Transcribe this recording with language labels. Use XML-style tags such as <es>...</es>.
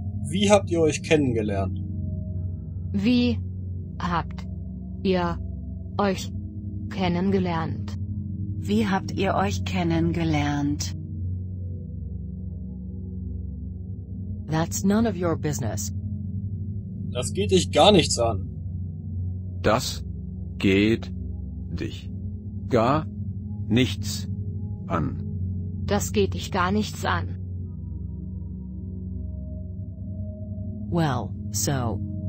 <de>Wie habt ihr euch kennengelernt? Wie habt ihr euch kennengelernt? Wie habt ihr euch kennengelernt?</de> <en>That's none of your business.</en> <de>Das geht dich gar nichts an. Das geht dich gar nichts an. Das geht dich gar nichts an.</de> <en>Well, so.</en>